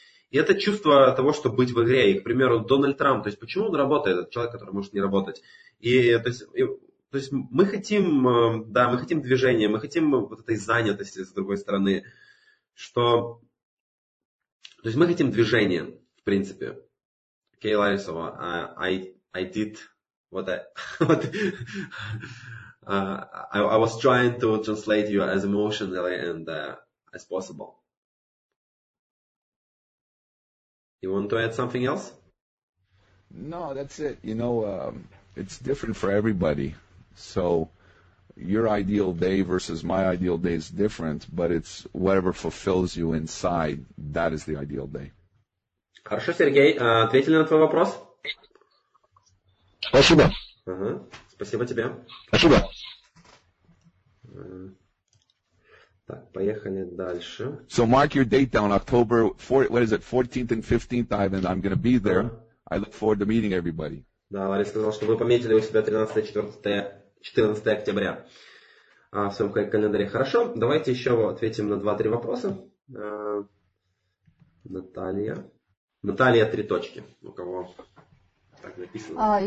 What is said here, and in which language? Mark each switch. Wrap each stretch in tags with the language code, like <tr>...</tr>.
<ru>И это чувство того, что быть в игре. И, к примеру, Дональд Трамп, то есть почему он работает, этот человек, который может не работать? То есть мы хотим, да, мы хотим движения, мы хотим вот этой занятости с другой стороны. Что, то есть мы хотим движения, в принципе.</ru> <en>Окей, Ларисова, I was trying to translate you as emotionally and as possible. You want to add something else? No, that's it. You know, it's different for everybody. So your ideal day versus my ideal day is different, but it's whatever fulfills you inside, that is the ideal day.</en> <ru>Хорошо, Сергей, ответили на твой вопрос? Спасибо. Спасибо тебе. Спасибо. Так, поехали дальше.</ru> <en>So mark your date down, October 4, what is it, 14th and 15th, Ivan, I'm going to be there. I look forward to meeting everybody.</en> <ru>Да, Ларис сказал, что вы пометили у себя 14 октября в своем календаре. Хорошо, давайте еще ответим на 2-3 вопроса. Наталья. Наталья, три точки. У кого так написано?</ru>